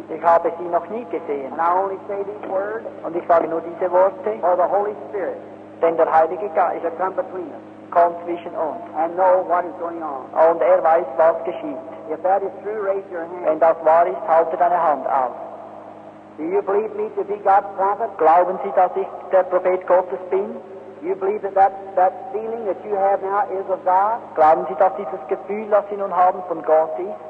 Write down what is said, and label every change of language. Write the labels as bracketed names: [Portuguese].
[German] Ich habe sie noch nie gesehen. [English] And I only say these words. [German] Und ich sage nur diese Worte. [English] For the Holy Spirit. [German] Denn der Heilige Geist [English] has come between us. [German] Kommt zwischen uns. [English] And know what is going on. [German] Und er weiß, was geschieht. [English] If that is true, raise your hand. [German] Wenn das wahr ist, halte deine Hand auf. [English] Do you believe me to be God's prophet? [German] Glauben Sie, dass ich der Prophet Gottes bin? [English] Do you believe that feeling that you have now is of God? [German] Glauben Sie, dass dieses Gefühl, das Sie nun haben, von Gott ist?